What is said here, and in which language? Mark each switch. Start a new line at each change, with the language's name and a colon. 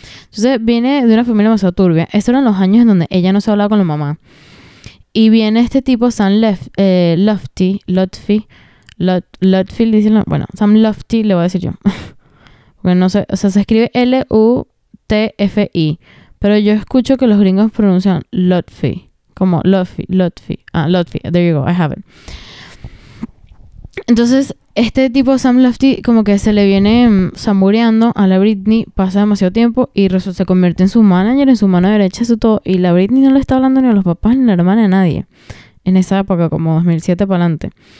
Spanish: Entonces, viene de una familia demasiado turbia. Esos eran los años en donde ella no se hablaba con la mamá. Y viene este tipo, Sam Lofty, le voy a decir yo. Bueno, no sé, o sea, se escribe Lutfi, pero yo escucho que los gringos pronuncian Lutfi.
English: Como Lutfi, there you go, I have it.
Spanish: Entonces, este tipo, Sam Lofty, como que se le viene zambureando a la Britney, pasa demasiado tiempo y se convierte en su manager, en su mano derecha, su todo. Y la Britney no le está hablando ni a los papás, ni a la hermana, a nadie. En esa época, como 2007 para adelante.